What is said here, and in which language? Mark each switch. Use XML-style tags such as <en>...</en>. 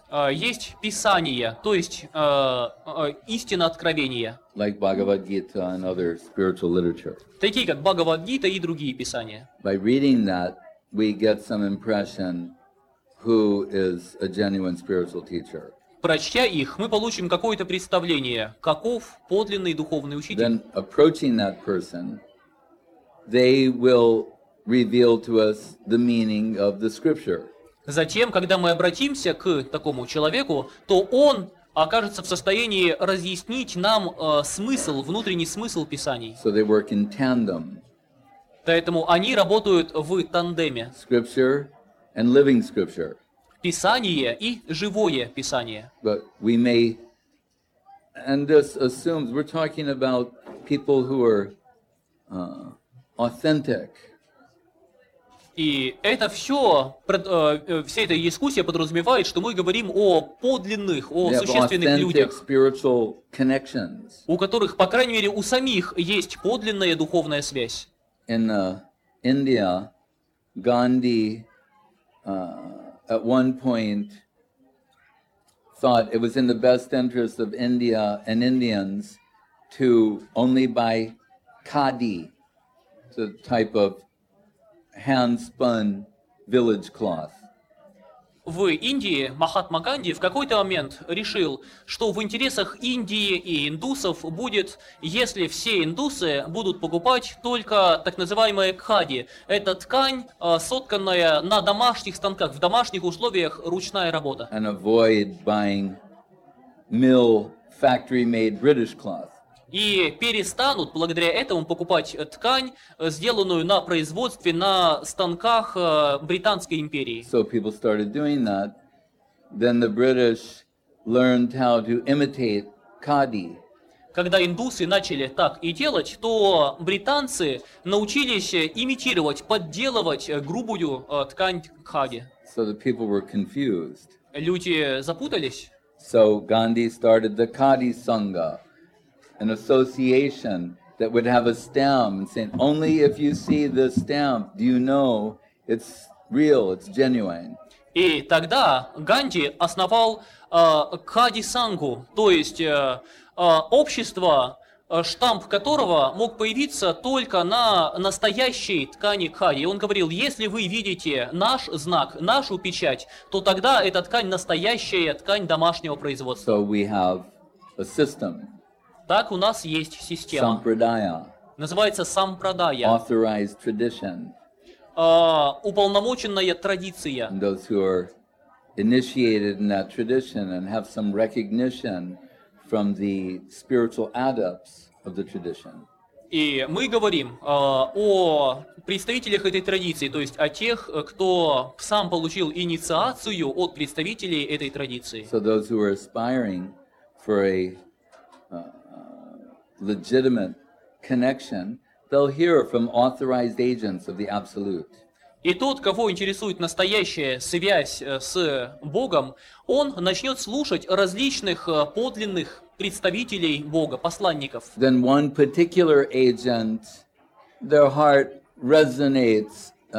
<ru>Есть писания, то есть истина откровения.</ru> <en>Like Bhagavad Gita and other spiritual literature.</en> <ru>Такие как Бхагавад Гита и другие писания.</ru> <en>By reading that, we get some impression who is a genuine spiritual teacher.</en> <ru>Прочтя их, мы получим какое-то представление, каков подлинный духовный учитель.</ru> <en>Then approaching that person, they will reveal to us the meaning of the scripture.</en> <ru>Затем, когда мы обратимся к такому человеку, то он окажется в состоянии разъяснить нам смысл, внутренний смысл Писаний.</ru> <en>So they work in tandem.</en> <ru>Поэтому они работают в тандеме.</ru> <en>Scripture and living scripture.</en> <ru>Писание и живое Писание.</ru> <en>But we may, and this assumes, we're talking about people who are authentic.</en> <ru>И это все, вся эта дискуссия подразумевает, что мы говорим о подлинных, о существенных людях,</ru> <en>spiritual connections.</en> <ru>У которых, по крайней мере, у самих есть подлинная духовная связь.</ru> <en>In India, Gandhi at one point thought it was in the best interest of India and Indians to only buy khadi, the type of hand-spun village cloth.</en> <ru>В Индии Махатма Ганди в какой-то момент решил, что в интересах Индии и индусов будет, если все индусы будут покупать только так называемые кхади. Это ткань, сотканная на домашних станках, в домашних условиях, ручная работа.</ru> <en>And avoid buying mill factory-made British cloth.</en> <ru>И перестанут благодаря этому покупать ткань, сделанную на производстве на станках Британской империи.</ru> <en>So people started doing that. Then the British learned how to imitate khadi.</en> <ru>Когда индусы начали так и делать, то британцы научились имитировать, подделывать грубую ткань khadi.</ru> <en>So the people were confused.</en> <ru>Люди запутались.</ru> <en>So Gandhi started the khadi sangha. An association that would have a stamp and saying, only if you see this stamp do you know it's real, it's genuine.</en> <ru>И тогда Ганди основал Кхади Сангу, то есть общество, штамп которого мог появиться только на настоящей ткани Кхади. Он говорил, если вы видите наш знак, нашу печать, то тогда эта ткань настоящая ткань домашнего производства.</ru> <en>So we have a system.</en> <ru>Так у нас есть система.</ru> <en>Sampradaya.</en> <ru>Называется Sampradaya.</ru> <en>Authorized tradition.</en> <ru>Уполномоченная традиция.</ru> <en>And those who are initiated in that tradition and have some recognition from the spiritual adepts of the tradition.</en> <ru>И мы говорим о представителях этой традиции, то есть о тех, кто сам получил инициацию от представителей этой традиции.</ru> <en>So those who are aspiring for a legitimate connection, they'll hear from authorized agents of the absolute.</en> <ru>И тот, кого интересует настоящая связь с Богом, он начнет слушать различных подлинных представителей Бога, посланников.</ru> <en>Then one particular agent, their heart resonates</en>